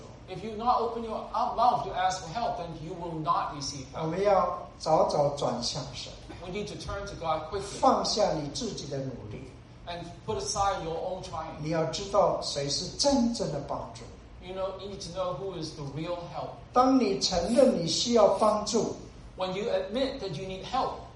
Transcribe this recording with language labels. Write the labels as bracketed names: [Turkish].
[English] if you not open your mouth to ask for help, then you will not receive help. [Chinese] 我们要早早转向神, [English] we need to turn to God quickly. [Chinese] 放下你自己的努力, [English] and put aside your own trying. [Chinese] 你要知道谁是真正的帮助。 [English] You know, you need to know who is the real help. [Chinese] 当你承认你需要帮助, [English] when you admit that you need help,